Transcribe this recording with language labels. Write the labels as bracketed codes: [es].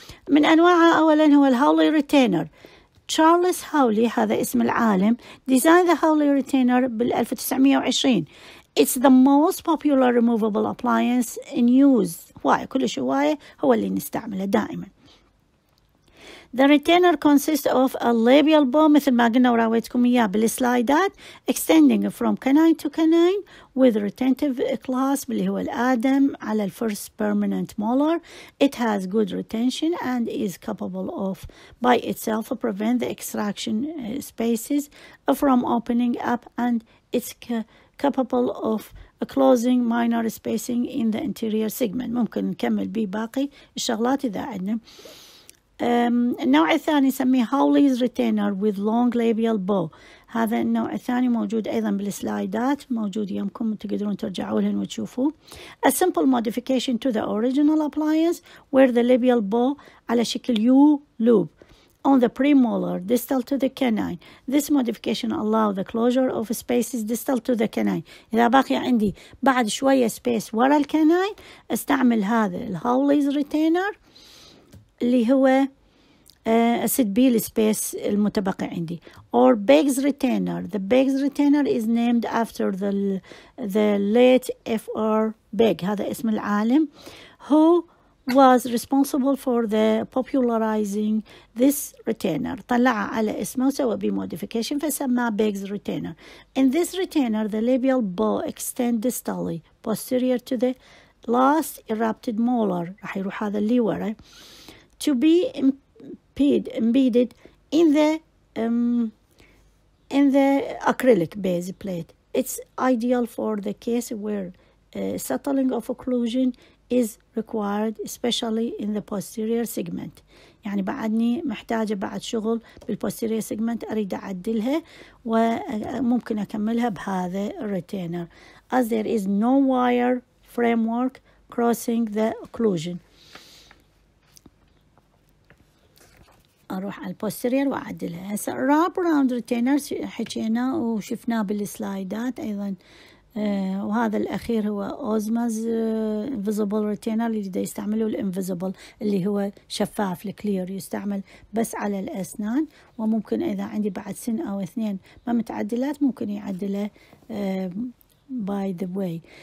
[ar] من أنواعه أولا هو الهولي retainer. تشارلز هولي هذا اسم العالم [en] designed the [ar] هولي retainer بال 1920. [en] It's the most popular removable appliance in use. [ar] هواية كلش هواية هو اللي نستعمله دائما. [en] The retainer consists of a labial bone [ar] مثل ما قلنا وراويتكم إياه بالسلايدات [en] extending from canine to canine with retentive clasp [ar] اللي هو الآدم على [en] the first permanent molar. It has good retention and is capable of by itself prevent the extraction spaces from opening up and it's capable of closing minor spacing in the anterior segment. [ar] ممكن نكمل بي باقي الشغلات إذا عندنا. النوع الثاني يسميه هاوليز ريتينر [en] with long labial bow. [ar] هذا النوع الثاني موجود أيضا بالسلايدات موجود يمكم تقدرون ترجعوا لهن وتشوفوا. [en] A simple modification to the original appliance where the labial bow [ar] على شكل [en] U loop on the premolar distal to the canine. This modification allow the closure of spaces distal to the canine. [ar] إذا باقي عندي بعد شوية space ورا الكناين استعمل هذا الهاوليز ريتينر اللي هو أسد بي السبيس المتبقي عندي. [en] Or Beggs Retainer. The Beggs Retainer is named after the late F.R. [ar] Begg. هذا اسم العالم. [en] Who was responsible for the popularizing this retainer. [ar] طلع على اسمه وسوى بي modification فسمى Beggs Retainer. [en] In this retainer the labial bow extend distally posterior to the last erupted molar. [ar] راح يروح هذا اللي ورا. [en] To be embedded in the acrylic base plate. It's ideal for the case where settling of occlusion is required, especially in the posterior segment. [ar] يعني بعدني محتاجة بعد شغل بالposterior segment أريد أعدلها وممكن أكملها بهذا retainer. [en] As there is no wire framework crossing the occlusion. [ar] أروح على البوستيرير وأعدلها. هسا راب راوند ريتينر حكينا وشفناه بالسلايدات أيضا وهذا الأخير هو أوزماز انفيزبل ريتينر اللي دا يستعمله الانفيزبل اللي هو شفاف الكلير يستعمل بس على الأسنان وممكن إذا عندي بعد سن أو اثنين ما متعدلات ممكن يعدله باي ذا واي.